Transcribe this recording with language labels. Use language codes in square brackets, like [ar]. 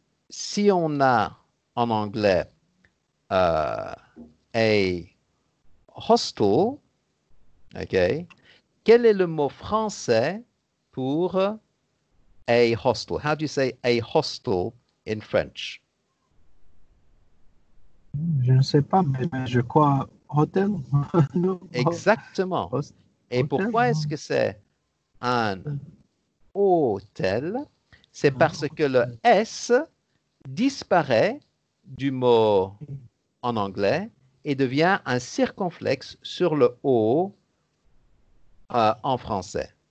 [fr] si on a en anglais a hostel, okay, quel est le mot français pour a hostel? [en] How do you say a hostel in French? [fr] Je ne sais pas, mais je crois hôtel. Exactement. Et Hôtel, pourquoi est-ce que c'est un non. hôtel? C'est parce que le Hôtel. S disparaît du mot en anglais et devient un circonflexe sur le O en français.